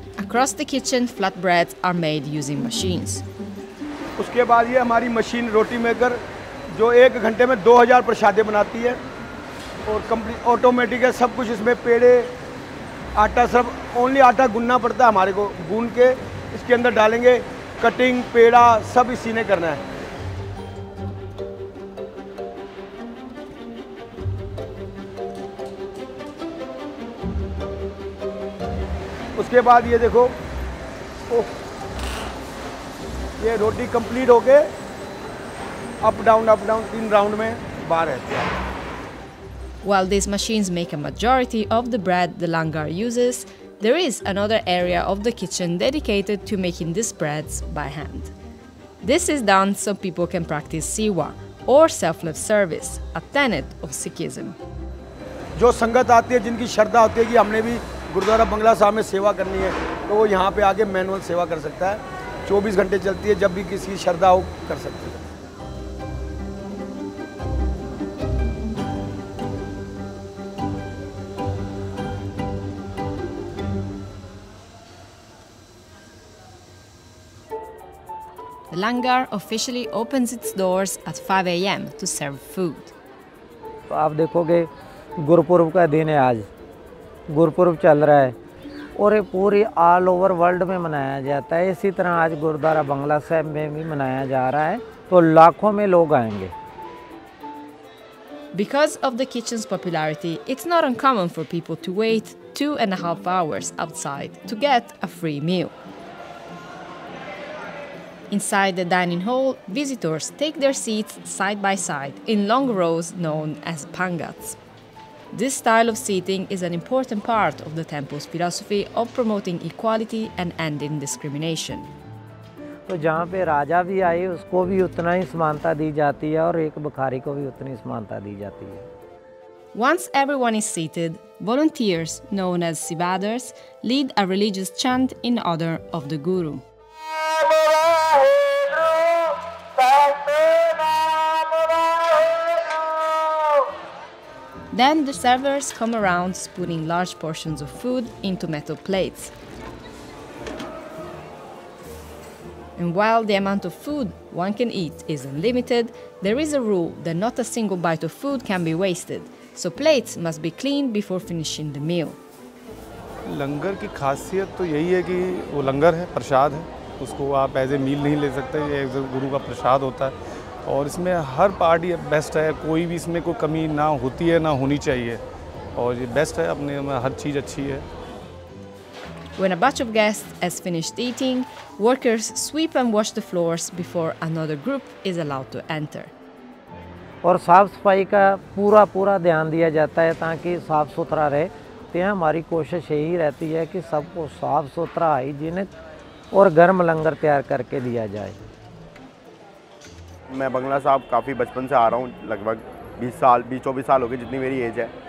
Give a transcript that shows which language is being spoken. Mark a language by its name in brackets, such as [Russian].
[English] Across the kitchen, flatbreads are made using machines. [Hindi] उसके बाद ये हमारी मशीन रोटी मेकर जो एक घंटे में 2000 प्रसादे बनाती है और कंप्लीट ऑटोमेटिक है सब कुछ. इसमें पेड़े आटा सब ओनली आटा गुनना पड़ता है हमारे को. गून के इसके अंदर डालेंगे कटिंग पेड़ा सब इसी ने करना है. उसके बाद ये देखो ये रोटी कंप्लीट होके अप डाउन तीन राउंड में बाहर रहती है. [English] While these machines make a majority of the bread the langar uses, there is another area of the kitchen dedicated to making these breads by hand. This is done so people can practice siwa or selfless service, a tenet of Sikhism. [Hindi] जो संगत आती है जिनकी श्रद्धा होती है कि हमने भी गुरुद्वारा बंगला साहब में सेवा करनी है तो वो यहाँ पे आके मैनुअल सेवा कर सकता है. 24 घंटे चलती है, जब भी किसी श्रद्धा हो कर सकती है. [English] The langar officially opens its doors at 5 a.m. to serve food. [Hindi] तो आप देखोगे गुरुपूर्व का दिन है आज. गुरुपूर्व चल रहा है और ये पूरी [English] all over world [Hindi] में मनाया जाता है. इसी तरह आज गुरुद्वारा बंगला साहिब में भी मनाया जा रहा है तो लाखों में लोग आएंगे. [English] Because of the kitchen's popularity, it's not uncommon for people to wait 2.5 hours outside to get a free meal. Inside the dining hall, visitors take their seats side by side in long rows known as pangats. This style of seating is an important part of the temple's philosophy of promoting equality and ending discrimination. [Hindi] तो जहाँ पे राजा भी आए उसको भी उतना ही समानता दी जाती है और एक भिखारी को भी उतनी समानता दी जाती है. [English] Once everyone is seated, volunteers known as sivadars lead a religious chant in honor of the guru. Then the servers come around spooning large portions of food into metal plates. And while the amount of food one can eat is unlimited, there is a rule that not a single bite of food can be wasted, so plates must be cleaned before finishing the meal. [Hindi] लंगर की खासियत तो यही है कि वो लंगर है, प्रसाद है. उसको आप ऐसे मील नहीं ले सकते, ये गुरु का प्रसाद होता है. और इसमें हर पार्टी बेस्ट है, कोई भी इसमें कोई कमी ना होती है ना होनी चाहिए. और ये बेस्ट है, अपने में हर चीज अच्छी है. [English] When a batch of guests has finished eating, workers sweep and wash the floors before another group is allowed to enter. [Hindi] और साफ सफाई का पूरा पूरा ध्यान दिया जाता है ताकि साफ सुथरा रहे करते हैं, हमारी कोशिश यही रहती है कि सबको साफ सुथरा, हाइजीनिक और गर्म लंगर तैयार करके दिया जाए। मैं बंगला साहब काफ़ी बचपन से आ रहा हूँ, लगभग 24 साल हो गए जितनी मेरी एज है।